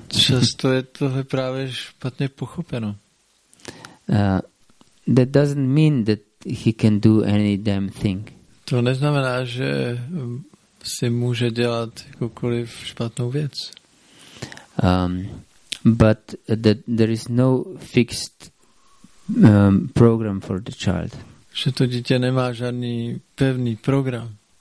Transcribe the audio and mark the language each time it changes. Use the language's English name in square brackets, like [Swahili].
[Czech] Často je tohle právě špatně pochopeno. [English] That doesn't mean that he can do any damn thing. [Czech] To neznamená, že si může dělat jakoukoliv špatnou věc. [English] But that there is no fixed program for the child. [Czech] Že to dítě nemá žádný pevný program.